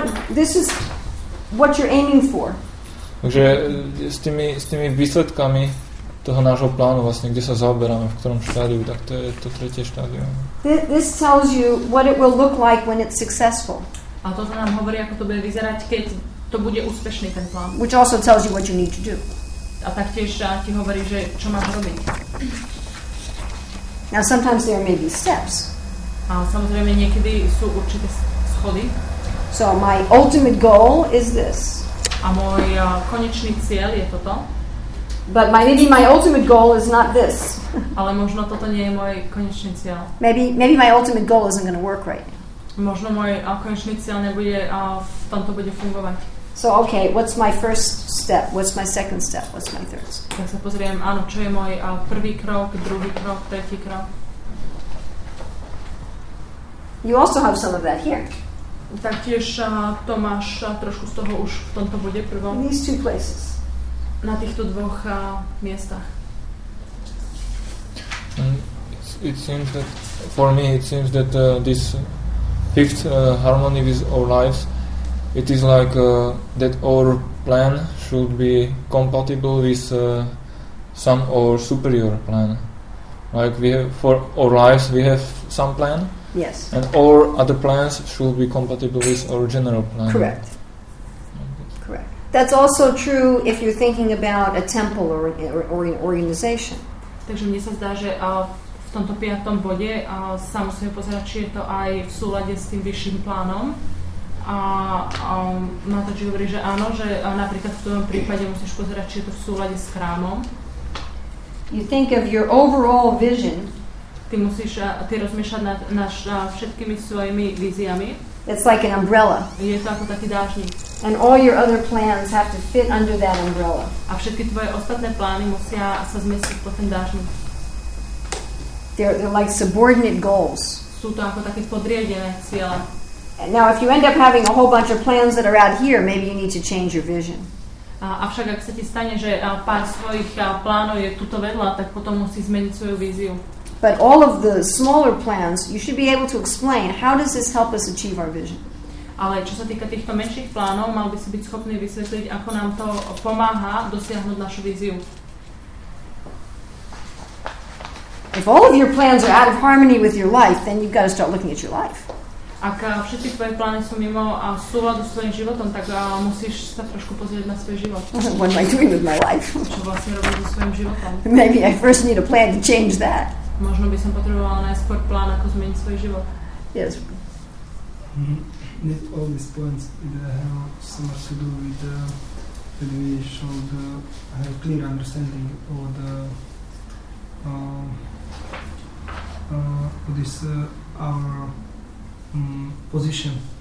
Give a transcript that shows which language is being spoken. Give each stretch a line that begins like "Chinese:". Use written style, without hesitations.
English: This is what you're aiming for.
Slovak: Takže s tými výsledkami toho nášho plánu, vlastne kde sa zaoberáme, v ktorom štádiu, tak to je to tretie štádium.
English: This tells you what it will look like when it's successful.
Slovak: A to nám hovorí, ako to bude vyzerať, keď to bude úspešný ten plán.
English: Which also tells you what you need to do.
Slovak: A taktiež ti hovorí, že čo máš robiť.
English: Now sometimes there may be steps.
Slovak: A samozrejme niekedy sú určité schody.
English: So my ultimate goal is this.
Slovak: A môj konečný cieľ je toto.
English: But maybe my ultimate goal is not this.
Slovak: Ale možno toto nie je môj konečný cieľ.
English: Maybe my ultimate goal isn't going to work right now.
Slovak: Možno môj konečný cieľ nebude a v tomto bude fungovať.
English: So okay, what's my first step? What's my second step? What's my third step?
Slovak: Tak sa pozriem, áno, čo je môj prvý krok, druhý krok, tretí krok.
English: You also have some of that here.
Slovak: Taktiež to máš trošku z toho už v tomto bode prvom.
English: These two places.
Slovak: Na týchto dvoch miestach.
English: It seems that for me it seems that this fifth harmony with our lives, it is like that our plan should be compatible with some or superior plan. Like we have for our lives we have some plan. Yes. And all other plans should be compatible with our general plan. Correct. Correct. That's also true if you're thinking about a temple or an organization.
Slovak: Takže mne sa zdá, že v tomto piatom bode sa musíme pozerať, či je to aj v súlade s tým vyšším plánom. A Mataji hovorí, že áno, že napríklad v tom prípade musíš pozerať, či je to v súlade s chrámom.
English: You think of your overall vision.
Slovak: Ty musíš ty rozmýšľať nad všetkými svojimi víziami.
English: It's like an umbrella.
Slovak: Je to ako taký dážnik.
English: And all your other plans have to fit under that umbrella.
Slovak: A všetky tvoje ostatné plány musia sa zmestiť pod ten dážnik.
English: They're like subordinate goals.
Slovak: Sú to ako také podriadené ciele.
English: Now if you end up having a whole bunch of plans that are out here, maybe you need to change your vision.
Slovak: Avšak ak sa ti stane, že pár svojich plánov je tuto vedľa, tak potom musíš zmeniť svoju víziu.
English: But all of the smaller plans, you should be able to explain how does this help us achieve our vision.
Slovak: Ale čo sa týka týchto menších plánov, mal by si byť schopný vysvetliť, ako nám to pomáha dosiahnuť našu víziu.
English: If all of your plans are out of harmony with your life, then you've got to start looking at your life.
Slovak: Ak všetky tvoje plány sú mimo súladu s tvojim životom, tak musíš sa trošku pozrieť na svoj život.
English: What am I doing with my life?
Slovak: Čo vlastne robím so svojím životom?
English: Maybe I first need a plan to change that.
Slovak: Možno by som potrebovala najskôr plán, ako zmeniť svoj život.
English: Yes. Not all these plans have so much to do with that we should have a clear understanding of the this our position.